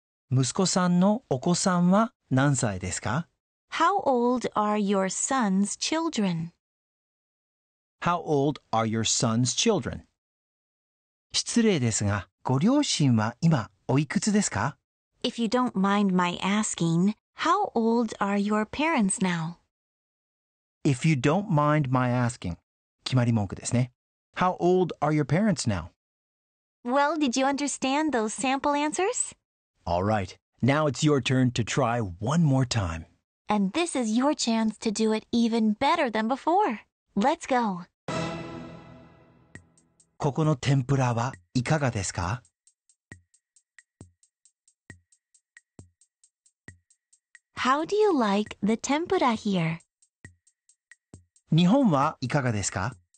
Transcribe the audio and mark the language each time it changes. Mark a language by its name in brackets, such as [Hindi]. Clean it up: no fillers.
[Japanese] 息子さんのお子さんは何歳ですか? [English] How old are your son's children? How old are your son's children? [Japanese] 失礼ですが、ご両親は今おいくつですか? [English] If you don't mind my asking, how old are your parents now? If you don't mind my asking, [Japanese] 決まり文句ですね。 [English] How old are your parents now? Well, did you understand those sample answers? All right, now it's your turn to try one more time. And this is your chance to do it even better than before. Let's go! [Japanese] ここの天ぷらはいかがですか? [English] How do you like the tempura here? [Japanese] 日本はいかがですか?